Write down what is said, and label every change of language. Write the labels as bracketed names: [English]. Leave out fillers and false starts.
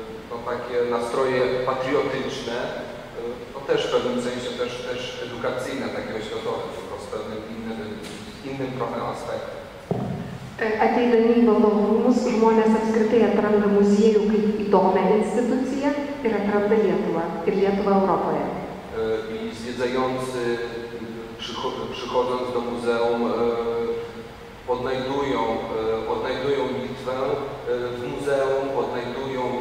[Polish] no, takie nastroje patriotyczne, no, też w pewnym sensie też edukacyjne, takie oświatowe, tylko z pewnym innym trochę aspektem. [Lithuanian] Ateidami į valdovų rūmus, žmonės apskritai atranda muziejų kaip įdomią instituciją ir atranda Lietuvą ir Lietuvą Europoje. [Polish] Zwiedzający, przychodząc do muzeum, odnajdują Litwę w muzeum, odnajdują